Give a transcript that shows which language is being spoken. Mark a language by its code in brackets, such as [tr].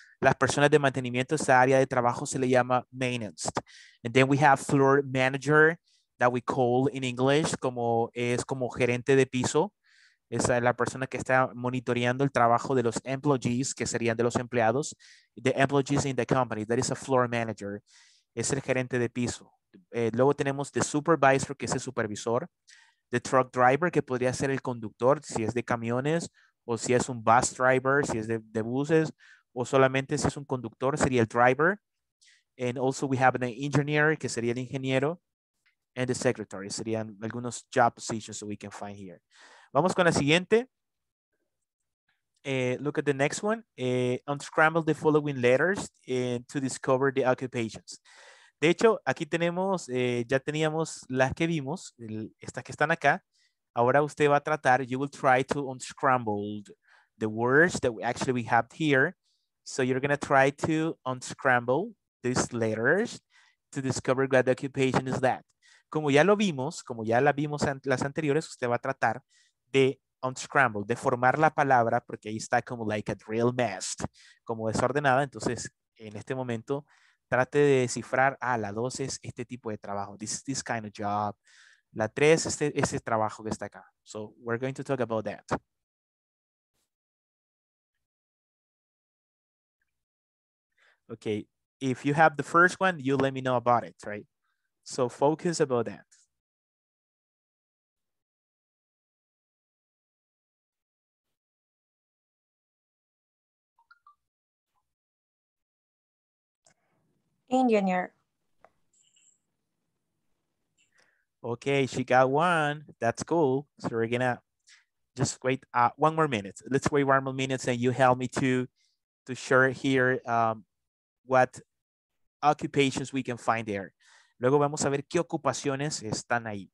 [es] Las personas de mantenimiento, esa área de trabajo se le llama maintenance. [en] And then we have floor manager that we call in English, como es como gerente de piso. [es] Esa es la persona que está monitoreando el trabajo de los employees, que serían de los empleados. [en] The employees in the company, that is a floor manager. [es] Es el gerente de piso. Luego tenemos the supervisor, que es el supervisor. The truck driver, que podría ser el conductor, si es de camiones, o si es un bus driver, si es de buses, o solamente si es un conductor, sería el driver. [en] And also we have an engineer, que sería el ingeniero, and the secretary, serían algunos job positions that we can find here. Vamos con la siguiente. Look at the next one. Unscramble the following letters to discover the occupations. [es] De hecho, aquí tenemos, ya teníamos las que vimos, estas que están acá. Ahora usted va a tratar, you will try to unscramble the words that we have here. [en] So you're going to try to unscramble these letters to discover what the occupation is that. [es] Como ya lo vimos, como ya la vimos en las anteriores, usted va a tratar de unscramble, de formar la palabra, porque ahí está como like a real mess, como desordenada. Entonces, en este momento, trate de descifrar, la 2 es este tipo de trabajo, this kind of job. La 3 es este trabajo que está acá. So, we're going to talk about that. [en] Okay, if you have the first one, you let me know about it, right? So, focus about that. Engineer. Okay, she got one. That's cool. So we're gonna just wait one more minute. Let's wait 1 more minute and you help me to share here what occupations we can find there. [es] Luego vamos a ver qué ocupaciones están ahí.